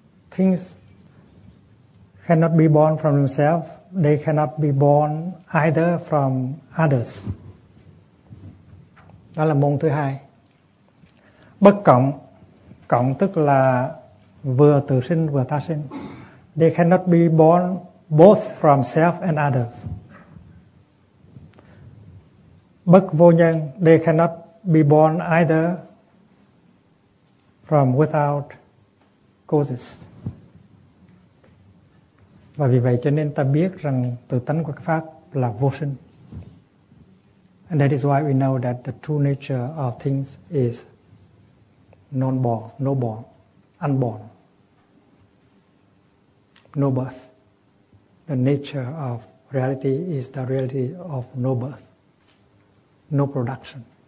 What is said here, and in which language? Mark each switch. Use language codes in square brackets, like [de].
[en] Things cannot be born from themselves. They cannot be born either from others. [vi] Đó là môn thứ hai. Bất cộng, cộng tức là vừa tự sinh vừa tha sinh. [en] They cannot be born both from self and others. Bất vô nhân, they cannot be born either from without causes. [vi] Và vì vậy cho nên ta biết rằng tự tánh của các pháp là vô sinh. [en] And that is why we know that the true nature of things is non-born, no-born, unborn, no birth. The nature of reality is the reality of no birth, no production.